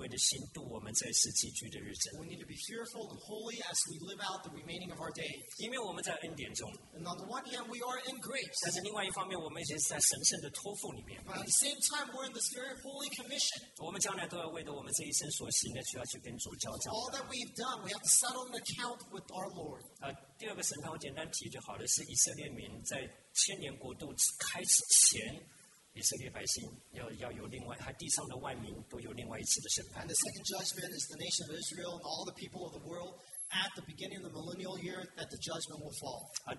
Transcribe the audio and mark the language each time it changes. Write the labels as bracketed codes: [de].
[zh] 弟兄姊妹，我们为人需要敬虔，要带着虔诚敬畏的心度我们这一世寄居的日子。 [en] We need to be fearful and holy as we live out the remaining of our day. [zh] 因为我们在恩典中。 [en] And on the one hand, we are in grace. [zh] 但是另外一方面，我们已经是在神圣。 [en] But at the same time, we're in this very holy commission. [zh] 我们将来都要为着我们这一生所行的，需要去跟主交账。All [en] that we've done, we have to settle an account with our Lord. [zh] 第二个审判，我简单提就好了，是以色列民在千年国度开始前，以色列百姓要有另外，还地上的万民都有另外一次的审判。 [en] And the second judgment is the nation of Israel and all the people of the world. At the beginning of the millennial year, that the judgment will fall.